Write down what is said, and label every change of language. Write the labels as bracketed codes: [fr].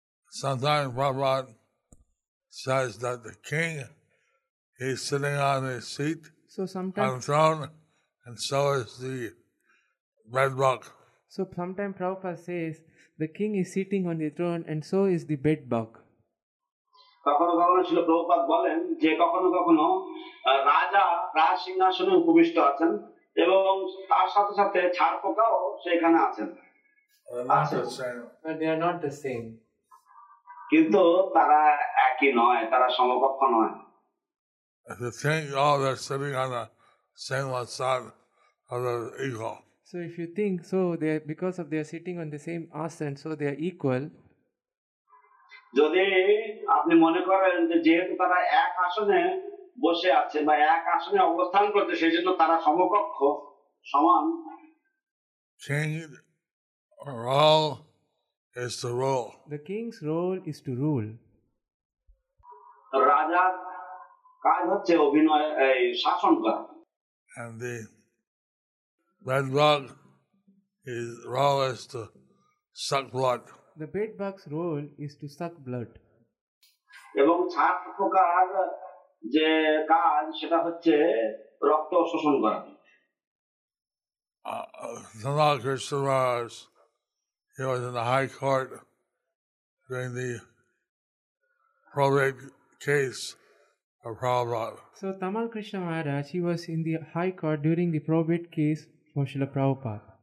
[en] Sometimes Prabhupada says that the king is sitting on his seat on the throne, and so is the bedbug. So sometimes Prabhupada says the king is sitting on the throne, and so is the bedbug. [bn] কখনো কখনো ছিল প্রভুপাদ বলেন যে কখনো কখনো রাজা রাজ সিংহাসনে উপবিষ্ট আছেন এবং তার সাথে সাথে ছাড় পোকাও সেখানে আছেন. [en] They are not the same. [bn] কিন্তু তারা একই নয়, তারা সমকক্ষ নয়. [en] The thing, oh, they're sitting on the same asana of the ego. So if you think so, they are, because of they are sitting on the same asana, so they are equal. [bn] যদি আপনি মনে করেন যেহেতু তারা এক আসনে বসে আছে বা এক আসনে অবস্থান করছে সেই জন্য তারা সমকক্ষ সমান. [en] King role is to rule. The king's role is to rule. [bn] রাজার কাজ হচ্ছে শাসন করা. [en] And the bedbug, his role is to suck blood. The bedbug's role is to suck blood. [bn] এবং ছাড় পোকার যে কাজ সেটা হচ্ছে রক্ত শোষণ করা. [en] Krishnaraj, he was in the high court during the probate case of Prabhupada. So Tamal Krishna Maharaj, he was in the High Court during the probate case for Srila Prabhupada.